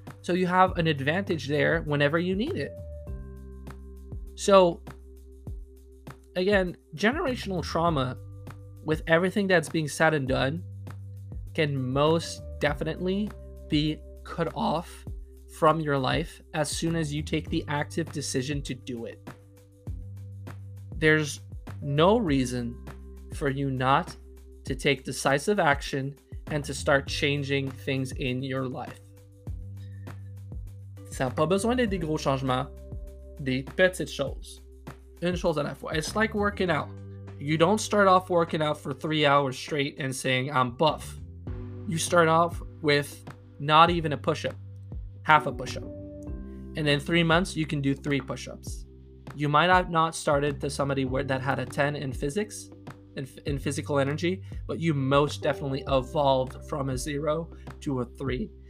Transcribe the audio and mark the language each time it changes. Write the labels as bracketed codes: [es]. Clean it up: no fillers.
[en] So you have an advantage there whenever you need it. So again, generational trauma, with everything that's being said and done, can most definitely be cut off from your life as soon as you take the active decision to do it. There's no reason for you not to take decisive action and to start changing things in your life. [fr] Ça n'a pas besoin d'être des gros changements. Des petites choses. Une chose à la fois. [en] It's like working out. You don't start off working out for 3 hours straight and saying, I'm buff. You start off with not even a push-up. Half a push-up. And in 3 months, you can do 3 push-ups. You might have not started to somebody that had a 10 in physics, in physical energy, but you most definitely evolved from a 0 to a 3.